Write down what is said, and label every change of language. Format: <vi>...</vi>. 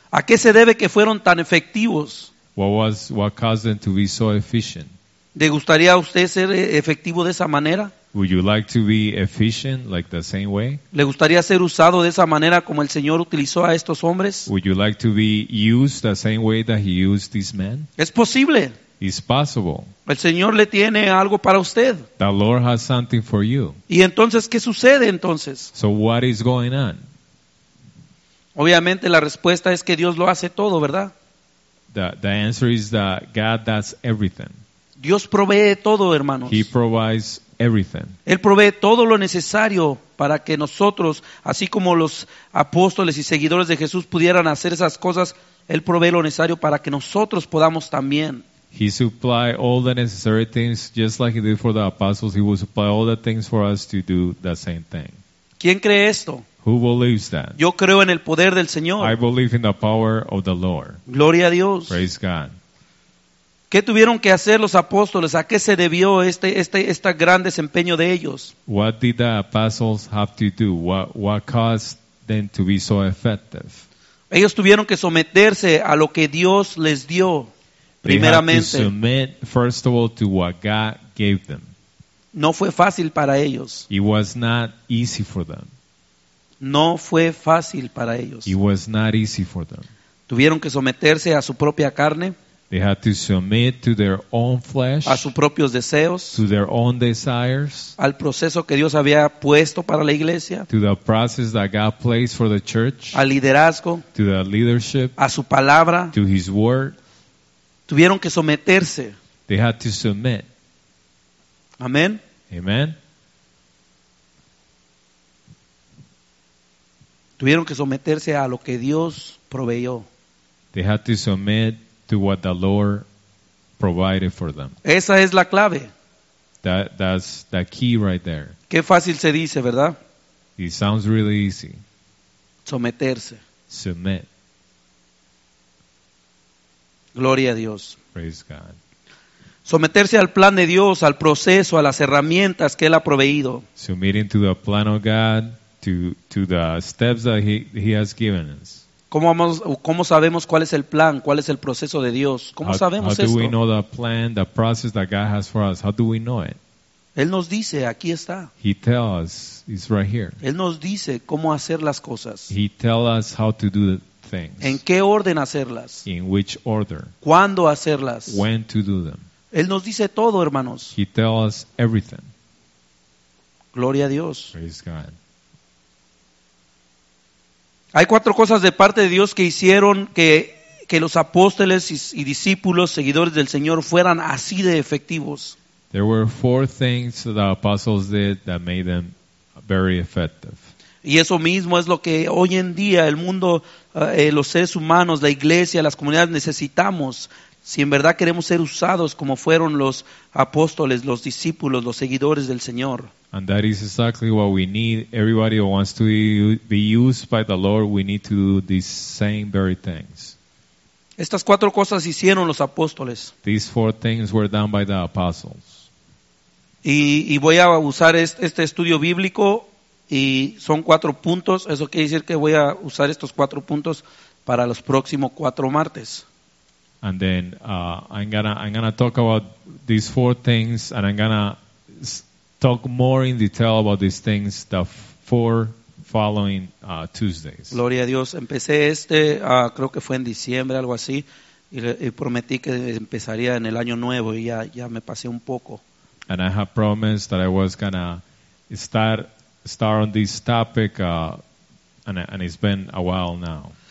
<es>¿A qué se debe que fueron tan efectivos?</es> <en>What caused them to be so efficient?</en> <es>¿Le gustaría a usted ser efectivo de esa manera?</es> <en>Would you like to be efficient like the same way?</en> <es>¿Le gustaría ser usado de esa manera como el Señor utilizó a estos hombres?</es> <en>Would you like to be used the same way that He used these men?</en> <es>Es posible.</es> <en>It's possible.</en> <es>El Señor le tiene algo para usted.</es> <en>The Lord has something for you.</en> <es>¿Y entonces qué sucede entonces?</es> <en>So what is going on?</en> <es>Obviamente la respuesta es que Dios lo hace todo, ¿verdad?</es> <en>The answer is that God does everything.</en> <es>Dios provee todo, hermanos.</es> <en>He provides everything.</en> <es>Él provee todo lo necesario para que nosotros, así como los apóstoles y seguidores de Jesús pudieran hacer esas cosas, Él provee lo necesario para que nosotros podamos también.</es> <en>He supplied all the necessary things, just like He did for the apostles. He will supply all the things for us to do the same thing.</en> <es>¿Quién cree esto?</es> <en>Who believes that?</en> <es>Yo creo en el poder del Señor.</es> <en>I believe in the power of the Lord.</en> <es>Gloria a Dios.</es> <en>Praise God.</en> <es>¿Qué tuvieron que hacer los apóstoles? ¿A qué se debió este gran desempeño de ellos?</es> <en>What did the apostles have to do? What caused them to be so effective?</en> <es>Ellos tuvieron que someterse a lo que Dios les dio, primeramente.</es> <en>They had to submit, first of all, to what God gave them.</en> <es>No fue fácil para ellos.</es> <en>It was not easy for them.</en> <es>No fue fácil para ellos.</es> <en>It was not easy for them.</en> <es>Tuvieron que someterse a su propia carne.</es> <en>They had to submit to their own flesh,</en> <es>a sus propios deseos,</es> <en>to their own desires,</en> <es>al proceso que Dios había puesto para la iglesia,</es> <en>to the process that God placed for the church,</en> <es>al liderazgo,</es> <en>to the leadership,</en> <es>a su palabra,</es> <en>to his word.</en> <es>Tuvieron que someterse.</es> <en>They had to submit.</en> <es>Amén.</es> <en>Amen.</en> <es>Tuvieron que someterse a lo que Dios proveyó.</es> <en>They had to submit to what the Lord provided for them.</en> <es>Esa es la clave.</es> <en>That's the key right there.</en> <es>Qué fácil se dice, ¿verdad?</es> <en>It sounds really easy.</en> <es>Someterse.</es> <en>Submit.</en> <es>Gloria a Dios.</es> <en>Praise God.</en> <es>Someterse al plan de Dios, al proceso, a las herramientas que Él ha proveído.</es> <en>Submitting to the plan of God, to the steps that He has given us.</en> <es>¿Cómo sabemos cuál es el plan? ¿Cuál es el proceso de Dios? ¿Cómo sabemos esto?</es> <en>How do we know the plan, the process that God has for us? How do we know it?</en> <es>Él nos dice, aquí está.</es> <en>He tells us, it's right here.</en> <es>Él nos dice cómo hacer las cosas.</es> <en>He tells us how to do the things.</en> <es>¿En qué orden hacerlas?</es> <en>In which order.</en> <es>¿Cuándo hacerlas?</es> <en>When to do them.</en> <es>Él nos dice todo, hermanos.</es> <en>He tells us everything.</en> <es>Gloria a Dios.</es> <en>Praise God.</en> <es>Hay cuatro cosas de parte de Dios que hicieron que los apóstoles y discípulos, seguidores del Señor, fueran así de efectivos.</es> <en>There were four things that the apostles did that made them very effective.</en> <es>Y eso mismo es lo que hoy en día el mundo, los seres humanos, la iglesia, las comunidades necesitamos. Si en verdad queremos ser usados como fueron los apóstoles, los discípulos, los seguidores del Señor.</es> <en>And that is exactly what we need. Everybody who wants to be used by the Lord, we need to do these same very things.</en> <es>Estas cuatro cosas hicieron los apóstoles.</es> <en>These four things were done by the apostles.</en> <es>Y voy a usar este estudio bíblico y son cuatro puntos. Eso quiere decir que voy a usar estos cuatro puntos para los próximos cuatro martes.</es> <en>And then I'm gonna talk about these four things, and I'm gonna talk more in detail about these things the four following Tuesdays.</en> <es>Gloria a Dios. Empecé creo que fue en diciembre, algo así, y prometí que empezaría en el año nuevo, y ya me pasé un poco.</es> <en>And I have promised that I was gonna start on this topic, and it's been a while now.</en>